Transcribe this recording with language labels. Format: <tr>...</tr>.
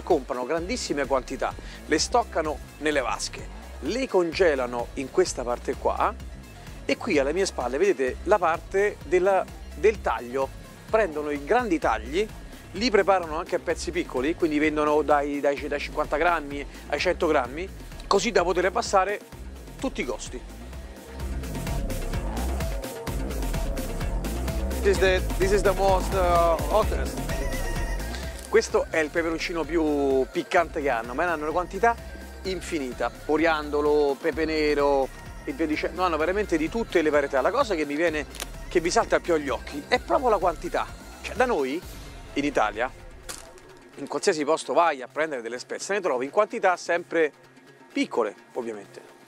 <it>Comprano grandissime quantità, le stoccano nelle vasche, le congelano in questa parte qua e qui alle mie spalle vedete la parte del taglio. Prendono i grandi tagli, li preparano anche a pezzi piccoli, quindi vendono dai 50 grammi ai 100 grammi, così da poter abbassare tutti i costi.</it> <en>This is the most hottest.</en> <it>Questo è il peperoncino più piccante che hanno, ma hanno una quantità infinita. Coriandolo, pepe nero, e via dicendo, no, hanno veramente di tutte le varietà. La cosa che mi viene, che mi salta più agli occhi, è proprio la quantità. Cioè, da noi, in Italia, in qualsiasi posto vai a prendere delle spezie, ne trovi in quantità sempre piccole, ovviamente.</it>